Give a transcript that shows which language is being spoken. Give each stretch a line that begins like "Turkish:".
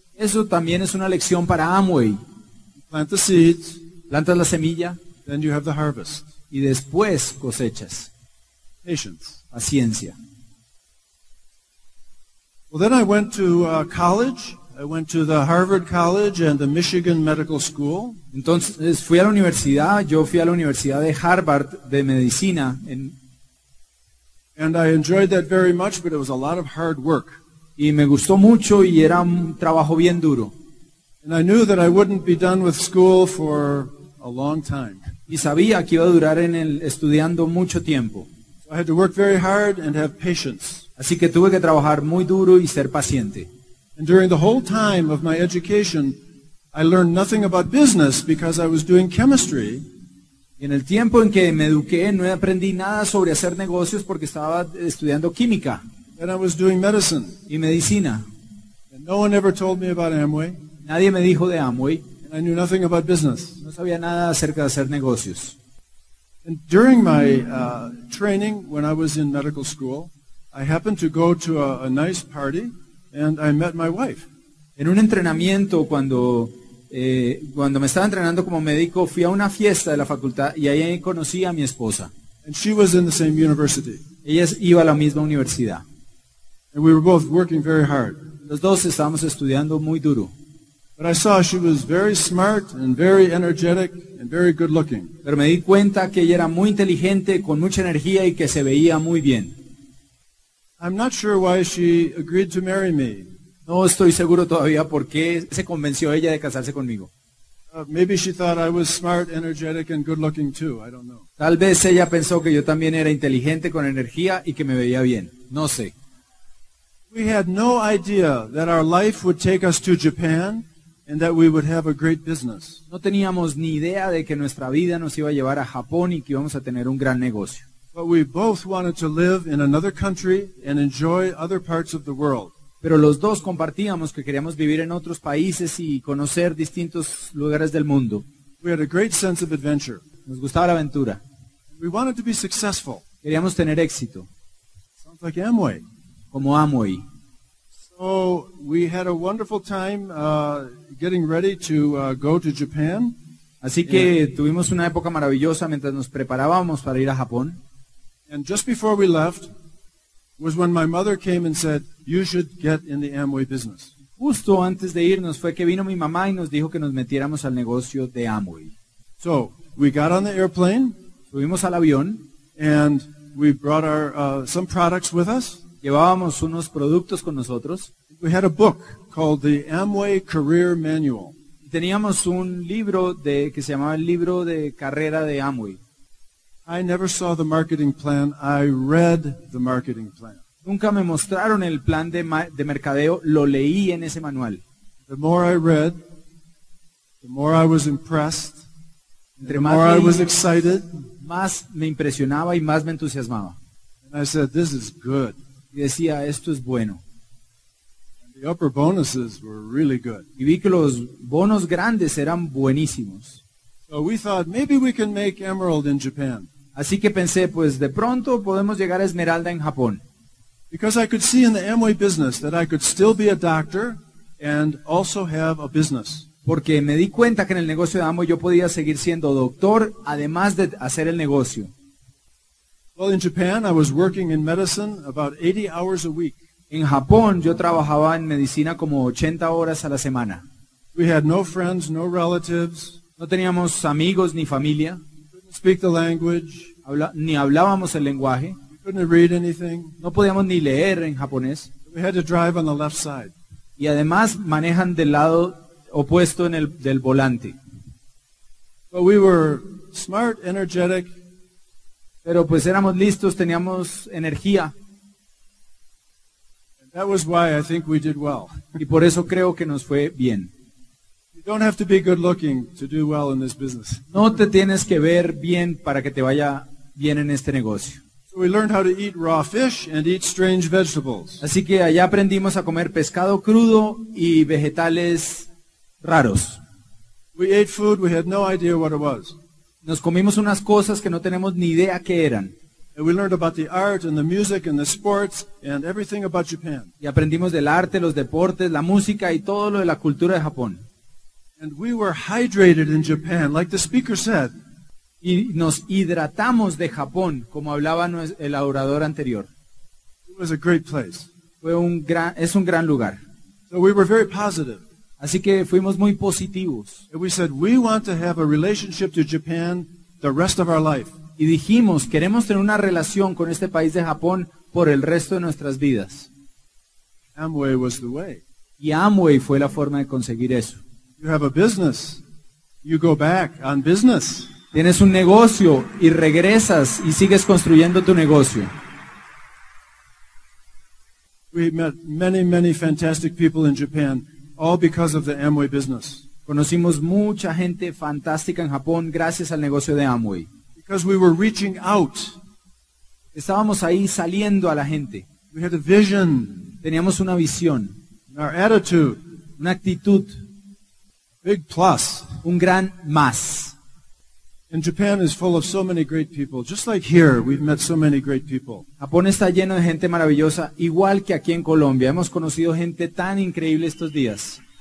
Spanish: Eso también es una lección para Amway.
English: Plant the seeds,
Spanish: plantas la semilla,
English: then you have the harvest.
Spanish: Y después cosechas.
English: Patience,
Spanish: paciencia.
English: Well, then I went to college. I went to the Harvard College and the Michigan Medical School.
Spanish: Entonces fui a la universidad. Yo fui a la Universidad de Harvard de Medicina.
English: And I enjoyed that very much, but it was a lot of hard work.
Spanish: Y me gustó mucho y era un trabajo bien duro.
English: And I knew that I wouldn't be done with school for a long time.
Spanish: Y sabía que iba a durar en el estudiando mucho tiempo.
English: So I had to work very hard and have patience.
Spanish: Así que tuve que trabajar muy duro y ser paciente.
English: And during the whole time of my education, I learned nothing about business because I was doing chemistry.
Spanish: Y en el tiempo en que me eduqué, no aprendí nada sobre hacer negocios porque estaba estudiando química.
English: And I was doing medicine.
Spanish: Y medicina.
English: And no one ever told me about Amway.
Spanish: Nadie me dijo de Amway.
English: And I knew nothing about business.
Spanish: No sabía nada acerca de hacer negocios.
English: And during my training, when I was in medical school, I happened to go to a nice party, and I met my wife.
Spanish: En un entrenamiento, cuando me estaba entrenando como médico, fui a una fiesta de la facultad, y ahí conocí a mi esposa.
English: And she was in the same university.
Spanish: Ella iba a la misma universidad.
English: And we were both working very hard.
Spanish: Los dos estábamos estudiando muy duro.
English: But I saw she was very smart and very energetic and very good looking.
Spanish: Pero me di cuenta que ella era muy inteligente, con mucha energía y que se veía muy bien.
English: I'm not sure why she agreed to marry me.
Spanish: No estoy seguro todavía por qué se convenció ella de casarse conmigo.
English: Maybe she thought I was smart, energetic, and good-looking too. I don't know.
Spanish: Tal vez ella pensó que yo también era inteligente, con energía y que me veía bien. No sé.
English: We had no idea that our life would take us to Japan and that we would have a great business.
Spanish: No teníamos ni idea de que nuestra vida nos iba a llevar a Japón y que íbamos a tener un gran negocio.
English: But we both wanted to live in another country and enjoy other parts of the world.
Spanish: Pero los dos compartíamos que queríamos vivir en otros países y conocer distintos lugares del mundo.
English: We had a great sense of adventure.
Spanish: Nos gustaba la aventura.
English: We wanted to be successful.
Spanish: Queríamos tener éxito.
English: Sounds like Amway.
Spanish: Como Amway.
English: So we had a wonderful time getting ready to go to Japan.
Spanish: Así que tuvimos una época maravillosa mientras nos preparábamos para ir a Japón.
English: And just before we left was when my mother came and said, "You should get in the Amway business."
Spanish: Justo antes de irnos fue que vino mi mamá y nos dijo que nos metiéramos al negocio de Amway.
English: So we got on the airplane.
Spanish: Subimos al avión.
English: And we brought our some products with us.
Spanish: Llevábamos unos productos con nosotros.
English: We had a book called the Amway Career Manual.
Spanish: Teníamos un libro que se llamaba el libro de carrera de Amway.
English: I never saw the marketing plan. I read the marketing plan.
Spanish: Nunca me mostraron el plan de mercadeo. Lo leí en ese manual.
English: The more I read, the more I was impressed.
Spanish: Entre
English: the more
Spanish: leí,
English: I was excited.
Spanish: Más me impresionaba y más me entusiasmaba.
English: And I said, "This is good."
Spanish: Y decía, esto es bueno.
English: And the upper bonuses were really good.
Spanish: Y vi que los bonos grandes eran buenísimos.
English: So we thought, maybe we can make Emerald in Japan.
Spanish: Así que pensé, pues de pronto podemos llegar a Esmeralda en Japón.
English: Because I could see in the Amway business that I could still be a doctor and also have a business.
Spanish: Porque me di cuenta que en el negocio de Amway yo podía seguir siendo doctor además de hacer el negocio.
English: Well, in Japan, I was working in medicine about 80 hours a week.
Spanish: En Japón, yo trabajaba en medicina como 80 horas a la semana.
English: We had no friends, no relatives.
Spanish: No teníamos amigos ni familia.
English: We couldn't speak the language.
Spanish: Ni hablábamos el lenguaje.
English: We couldn't read anything.
Spanish: No podíamos ni leer en japonés.
English: We had to drive on the left side.
Spanish: Y además, manejan del lado opuesto en del volante.
English: But we were smart, energetic.
Spanish: Pero pues éramos listos, teníamos energía.
English: And that was why I think we did well.
Spanish: Y por eso creo que nos fue bien.
English: You don't have to be good looking to do well in this business.
Spanish: No te tienes que ver bien para que te vaya bien en este negocio.
English: So we learned how to eat raw fish and eat strange vegetables.
Spanish: Así que allá aprendimos a comer pescado crudo y vegetales raros.
English: We ate food we had no idea what it was.
Spanish: Nos comimos unas cosas que no tenemos ni idea qué eran.
English: And we learned about the art and the music and the sports and everything about Japan.
Spanish: Y aprendimos del arte, los deportes, la música y todo lo de la cultura de Japón.
English: And we were hydrated in Japan, like the speaker said.
Spanish: Y nos hidratamos de Japón, como hablaba el orador anterior.
English: It was a great place.
Spanish: Es un gran lugar.
English: So we were very positive.
Spanish: Así que fuimos muy positivos.
English: And we said, we want to have a relationship to Japan the rest of our life.
Spanish: Y dijimos, queremos tener una relación con este país de Japón por el resto de nuestras vidas.
English: Amway was the way.
Spanish: Y Amway fue la forma de conseguir eso.
English: You have a business. You go back on business.
Spanish: Tienes un negocio y regresas y sigues construyendo tu negocio.
English: We met many, many fantastic people in Japan. All because of the Amway business.
Spanish: Conocimos mucha gente fantástica en Japón gracias al negocio de Amway.
English: Because we were reaching out.
Spanish: Estábamos ahí saliendo a la gente.
English: We had a vision.
Spanish: Teníamos una visión.
English: Our attitude.
Spanish: Una actitud.
English: Big plus.
Spanish: Un gran más.
English: And Japan is full of so many great people. Just like here, we've met so many great people.
Spanish: Japón está lleno de gente maravillosa, igual que aquí en Colombia. Hemos conocido gente tan increíble estos días.